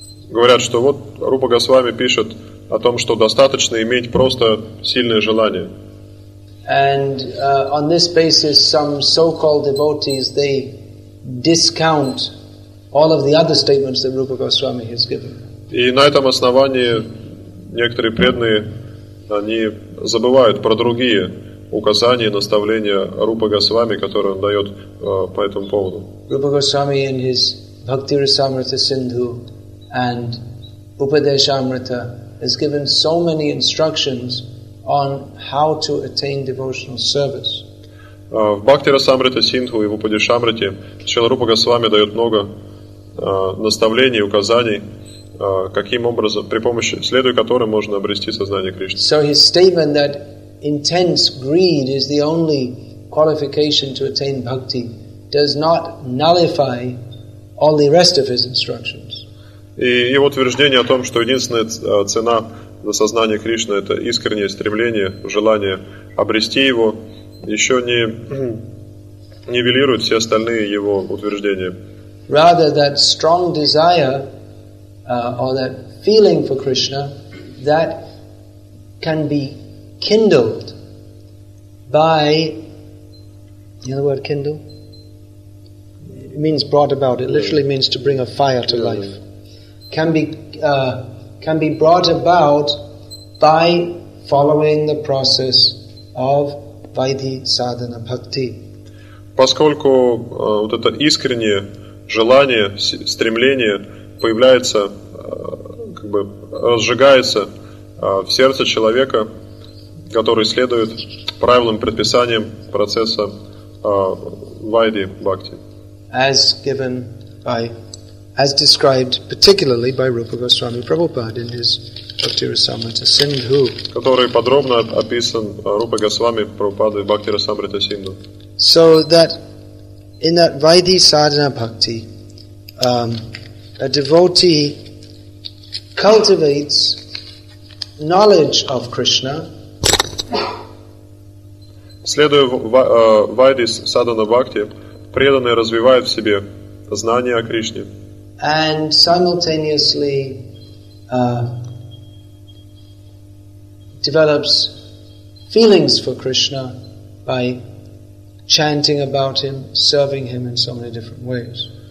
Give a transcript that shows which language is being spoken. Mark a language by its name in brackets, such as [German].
[Russian] Говорят, что вот Рупа Госвами пишет о том, что достаточно иметь просто сильное желание. [English] And on this basis, some so-called devotees they discount all of the other statements that Rupa Goswami has given. [Russian] И на этом основании некоторые преданные они забывают про другие указания, наставления Рупа Госвами, которые он дает по этому поводу. [English] Rupa Goswami in his Bhakti Rasamrita Sindhu and Upadeshamrita has given so many instructions on how to attain devotional service. [Russian] В Бхакти Расамрита Синдху и в Упадешамрите Шрила Рупа Госвами дает много наставлений, указаний, каким образом, при помощи, следуя которым можно обрести сознание Кришны. [English] So his statement that intense greed is the only qualification to attain bhakti does not nullify all the rest of his instructions. [Russian] И его утверждение о том, что единственная цена на сознание Кришны это искреннее стремление, желание обрести его, еще не нивелирует все остальные его утверждения. [English] Rather, that strong desire or that feeling for Krishna that can be kindled by The other word kindle means brought about. It literally means to bring a fire to life. Can be brought about by following the process of vaidhi sadhana bhakti. [Russian] Поскольку вот это искреннее желание, стремление появляется, как бы разжигается в сердце человека, который следует правилам, предписаниям процесса вайди бхакти. [English] As given by, as described particularly by Rupa Goswami Prabhupada in his Bhakti-rasamrita Sindhu. [Russian] Который подробно описан Рупа Госвами Прабхупадой в Бхакти-расамрита Синдху. [English] So that in that vaidhi sadhana bhakti, a devotee cultivates knowledge of Krishna. [Russian] Следуя вайди садхана бхакти, преданный развивает в себе знания о Кришне. [English] And simultaneously develops feelings for Krishna by chanting about him, serving him in so many different ways.